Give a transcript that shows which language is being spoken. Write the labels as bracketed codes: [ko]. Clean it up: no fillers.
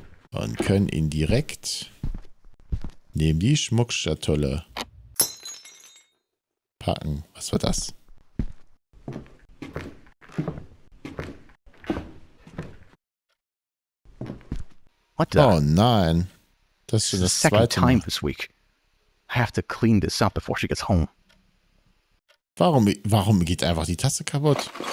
[de] Und können ihn direkt neben die Schmuckschatulle packen. Was war das? [en] What the? [de] Oh nein. Das ist schon das zweite Mal. [en] Time this week. I have to clean this up before she gets home. [de] Warum geht einfach die Tasse kaputt?